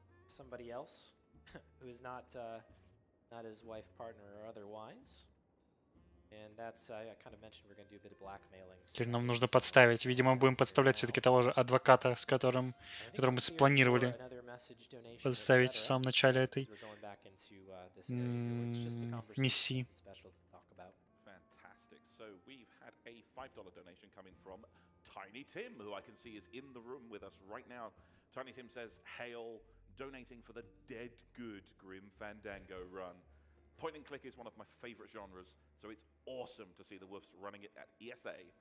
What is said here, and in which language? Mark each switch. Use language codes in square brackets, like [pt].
[en] Somebody else who is not his wife, partner, or otherwise. And that's I kind of mentioned we're going to do a bit of blackmailing. [ru] Теперь нам нужно подставить. Видимо, будем подставлять все-таки того же адвоката, с которым мы спланировали подставить в самом начале этой миссии. [en] Fantastic. So we've had a $5 donation coming from Tiny Tim, who I can see is in the room with us right now. Tiny Tim says, "Hail, donating for the dead good Grim Fandango run." Point and click is one of my favorite genres, so it's awesome to see the Woofs running it at ESA.